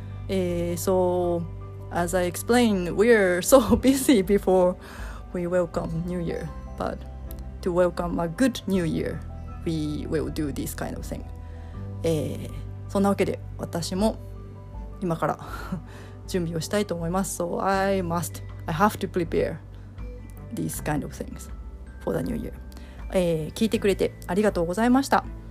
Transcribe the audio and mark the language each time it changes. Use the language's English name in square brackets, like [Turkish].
[English] So as I explained, we are so busy before we welcome New Year, but to welcome a good New Year, we will do this kind of thing. [Japanese] そんなわけで私も今から準備をしたいと思います。 [English] So I have to prepare these kind of things for the New Year. [Japanese] 聞いてくれてありがとうございました。